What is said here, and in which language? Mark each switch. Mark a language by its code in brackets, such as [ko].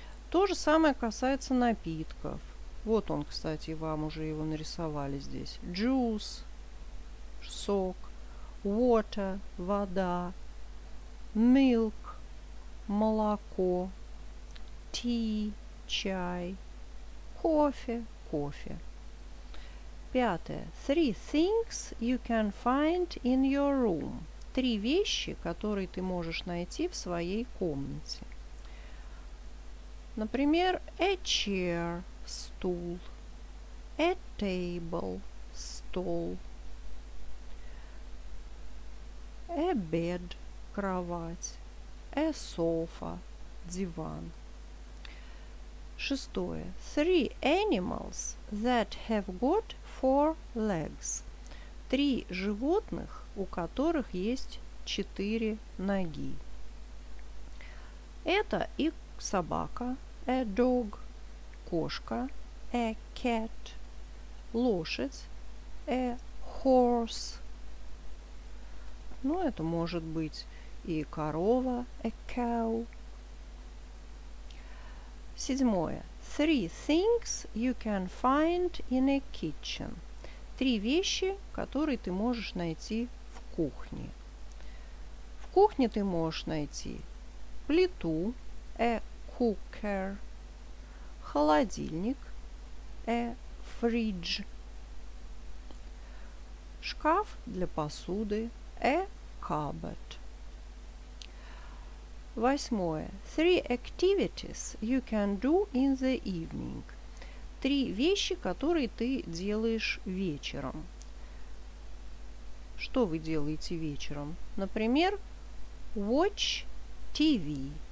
[ru] То же самое касается напитков. Вот он, кстати, вам уже его нарисовали здесь. Juice, сок, water, вода, milk, молоко, tea, чай, кофе, кофе. 5. [en] 3 things you can find in your room. [ru] 3 вещи, которые ты можешь найти в своей комнате. Например, a chair. Стул, a table, стол, a bed, кровать, a sofa, диван. 6. [en] 3 animals that have got 4 legs. [ru] 3 животных, у которых есть 4 ноги. Это и собака, a dog, кошка, a cat, лошадь, a horse. Ну, это может быть и корова, a cow. 7. [en] 3 things you can find in a kitchen. [ru] 3 вещи, которые ты можешь найти в кухне. В кухне ты можешь найти плиту, a cooker, холодильник, a fridge, шкаф для посуды, a cupboard. 8. [en] 3 activities you can do in the evening. [ru] 3 вещи, которые ты делаешь вечером. Что вы делаете вечером? Например, [en] watch TV.